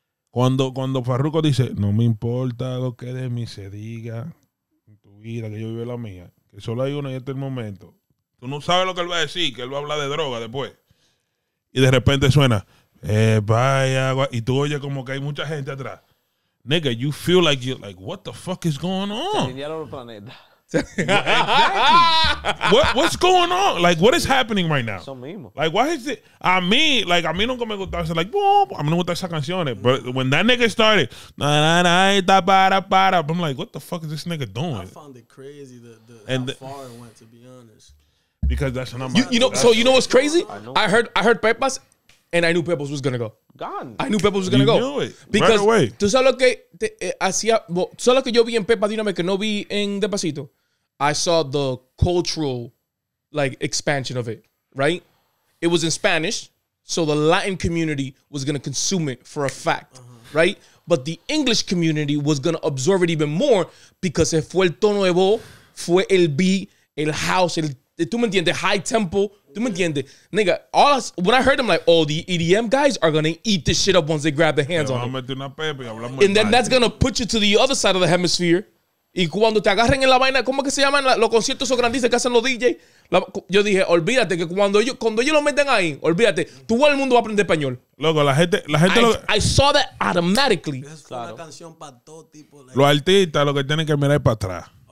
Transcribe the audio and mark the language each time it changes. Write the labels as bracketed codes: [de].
[es] Cuando Farruko dice, no me importa lo que de mí se diga, mira, que yo vive la mía, que solo hay una y este es el momento. Tú no sabes lo que él va a decir, que él va a hablar de droga después. Y de repente suena, vaya, y tú oyes como que hay mucha gente atrás. [en] Nigga, you feel like you're like, what the fuck is going on? [es] Se alinearon los planetas. [en] Exactly. What's going on? Like, what is happening right now? [es] Eso mismo. [en] Like, why is it? [es] A mí nunca me gustaba. Like, boom, a mí no me gustan esas canciones. [en] But when that nigga started, na-na-na-na-ta-para-para, I'm like, what the fuck is this nigga doing? I found it crazy how far it went, to be honest. Because that's what I'm... You know what's crazy? I heard Pepas, and I knew Pepas was going to go. Gone. I knew Pepas was going to go. You knew it. Because right away. [es] Tú sabes lo que hacía... solo que yo vi en Pepas, dígame, que no vi en Despacito. [en] I saw the cultural, like, expansion of it, right? It was in Spanish, so the Latin community was going to consume it for a fact, uh-huh, right? But the English community was going to absorb it even more because it [es] fue el tono de voz, fue el beat, el house, el, tú me entiendes, [en] high tempo, tú me entiendes. Nigga, when I heard them, like, oh, the EDM guys are going to eat this shit up once they grab their hands on it. And then that's going to put you to the other side of the hemisphere. [es] Y cuando te agarren en la vaina, ¿cómo es que se llaman los conciertos esos grandices que hacen los DJs? Yo dije, olvídate, que cuando ellos lo meten ahí, olvídate, todo el mundo va a aprender español. Loco, la gente [en] I saw that automatically. [es] Es una claro. canción para todo tipo. De... Los artistas lo que tienen que mirar es para atrás.